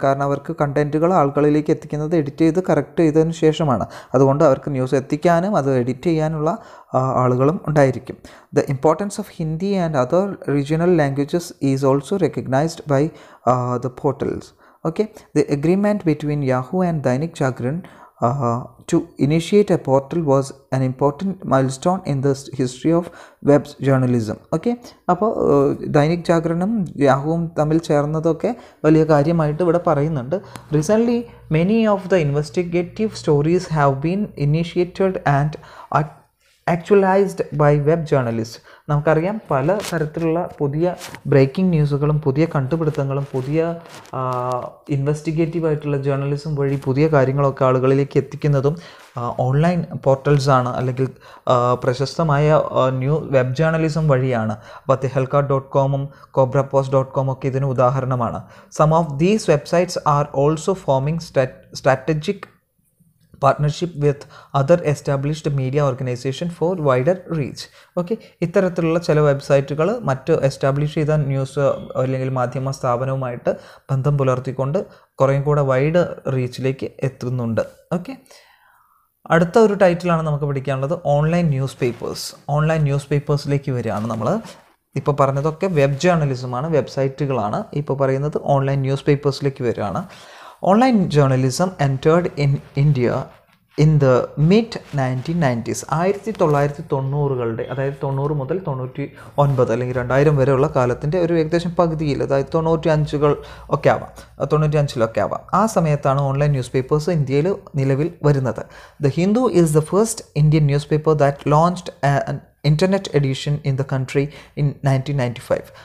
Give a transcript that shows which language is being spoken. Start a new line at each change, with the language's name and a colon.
Malayalam: കാരണം അവർക്ക് കണ്ടൻറ്റുകൾ ആളുകളിലേക്ക് എത്തിക്കുന്നത് എഡിറ്റ് ചെയ്ത് കറക്റ്റ് ചെയ്തതിന് ശേഷമാണ്. അതുകൊണ്ട് അവർക്ക് ന്യൂസ് എത്തിക്കാനും അത് എഡിറ്റ് ചെയ്യാനുള്ള ആളുകളും ഉണ്ടായിരിക്കും.
English: The importance of Hindi and other regional languages is also recognised by the portals. Okay, the agreement between Yahoo and Dainik Jagran To initiate a portal was an important milestone in the history of web journalism.
Malayalam: Okay, അപ്പോൾ ദൈനിക് ജാഗരണും യാഹുവും തമ്മിൽ ചേർന്നതൊക്കെ വലിയ കാര്യമായിട്ട് ഇവിടെ പറയുന്നുണ്ട്.
English: Recently many of the investigative stories have been initiated and actualised by web journalist.
Malayalam: നമുക്കറിയാം പല തരത്തിലുള്ള പുതിയ ബ്രേക്കിംഗ് ന്യൂസുകളും പുതിയ കണ്ടുപിടുത്തങ്ങളും പുതിയ ഇൻവെസ്റ്റിഗേറ്റീവ് ആയിട്ടുള്ള ജേർണലിസം വഴി പുതിയ കാര്യങ്ങളൊക്കെ ആളുകളിലേക്ക് എത്തിക്കുന്നതും ഓൺലൈൻ പോർട്ടൽസാണ് അല്ലെങ്കിൽ പ്രശസ്തമായ ന്യൂ വെബ് ജേർണലിസം വഴിയാണ്. അപ്പോൾ Tehelka dot കോമും cobra post dot കോമും ഒക്കെ ഇതിന് ഉദാഹരണമാണ്.
English: Some of these websites are also forming strategic partnership with other established media organization for wider reach.
Malayalam: Okay, ഇത്തരത്തിലുള്ള ചില വെബ്സൈറ്റുകൾ മറ്റ് എസ്റ്റാബ്ലിഷ് ചെയ്ത ന്യൂസ് അല്ലെങ്കിൽ മാധ്യമ സ്ഥാപനവുമായിട്ട് ബന്ധം പുലർത്തിക്കൊണ്ട് കുറേയും കൂടെ വൈഡ് റീച്ചിലേക്ക് എത്തുന്നുണ്ട്. ഓക്കെ, അടുത്ത ഒരു ടൈറ്റിലാണ് നമുക്ക് പഠിക്കാനുള്ളത്, online news papers. Online news പേപ്പേഴ്സിലേക്ക് വരികയാണ്. നമ്മൾ ഇപ്പോൾ പറഞ്ഞതൊക്കെ വെബ് ജേർണലിസമാണ്, വെബ്സൈറ്റുകളാണ്. ഇപ്പോൾ പറയുന്നത് ഓൺലൈൻ ന്യൂസ് പേപ്പേഴ്സിലേക്ക് വരികയാണ്.
English: Online journalism entered in India in the mid-1990s.
Malayalam: 1990-കളുടെ അതായത് 90 മുതൽ 99 അല്ലെങ്കിൽ 2000 വരെയുള്ള കാലത്തിൻ്റെ ഒരു ഏകദേശം പകുതിയിൽ, അതായത് 95 ഒക്കെ ആവാം, 95 ആവാം, ആ സമയത്താണ് ഓൺലൈൻ ന്യൂസ് പേപ്പേഴ്സ് ഇന്ത്യയിൽ നിലവിൽ വരുന്നത്.
English: The Hindu is the first Indian newspaper that launched internet edition in the country in 1995.